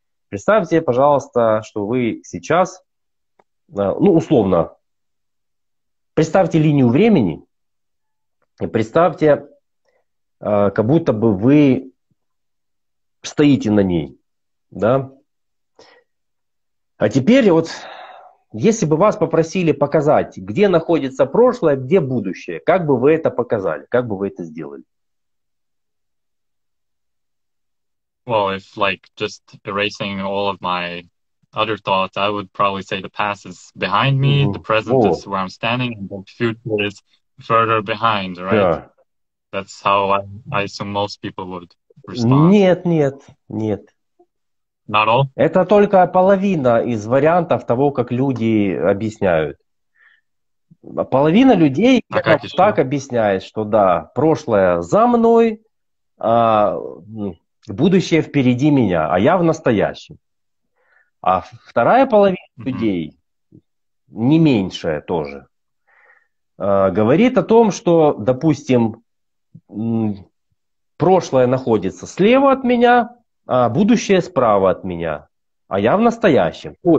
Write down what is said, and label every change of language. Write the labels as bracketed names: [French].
[Russian] Представьте, пожалуйста, что вы сейчас, ну, условно, представьте линию времени, и представьте, как будто бы вы стоите на ней, да? А теперь вот, если бы вас попросили показать, где находится прошлое, где будущее, как бы вы это показали, как бы вы это сделали? [English] Well, if like just erasing all of my other thoughts, I would probably say the past is behind me, the present is where I'm standing, and the future is further behind, right? Yeah. That's how I assume most people would respond. [Russian] Нет, нет, нет. [English] Not all. [Russian] Это только половина из вариантов того, как люди объясняют. Половина людей так объясняет, что да, прошлое за мной, а будущее впереди меня, а я в настоящем. А вторая половина людей, не меньшая тоже, говорит о том, что, допустим, прошлое находится слева от меня, а будущее справа от меня, а я в настоящем.